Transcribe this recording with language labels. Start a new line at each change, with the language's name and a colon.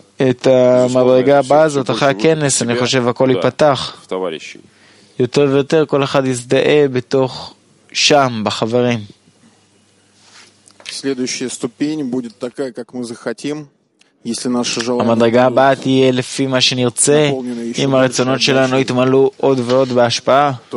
Hebrew: את המדרגה הבאה הזאת, אחרי הכנס, אני חושב, הכל ייפתח. יותר ויותר, כל אחד יזדהה בתוך שם, בחברים.
Russian: Следующая ступень будет такая, как мы захотим.
Hebrew: המדרגה הבאה תהיה לפי מה שנרצה, אם הרצונות שלנו יתמלאו עוד ועוד בהשפעה.